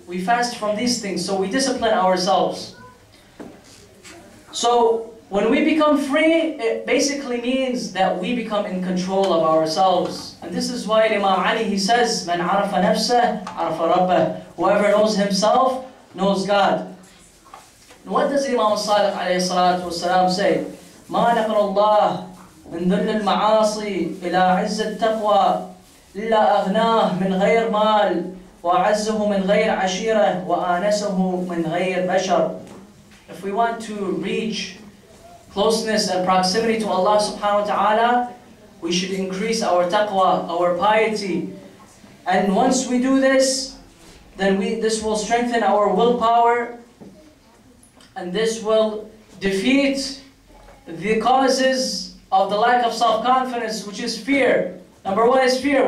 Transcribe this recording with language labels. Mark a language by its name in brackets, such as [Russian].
[English] We fast from these things, so we discipline ourselves. So when we become free, it basically means that we become in control of ourselves. And this is why Imam Ali, he says, [Arabic] من عرف نفسه عرف ربه. [English] Whoever knows himself knows God. And what does Imam Salih alayhi salatu wasalam say? [Arabic] ما نقر الله من ذل المعاصي إلى عز التقوى إلا أغناه من غير مال وعزه من غير عشيرة وآنسه من غير بشر. [English] If we want to reach closeness and proximity to Allah subhanahu wa ta'ala, we should increase our taqwa, our piety. And once we do this, then this will strengthen our willpower, and this will defeat the causes of the lack of self-confidence, which is fear. Number one is fear.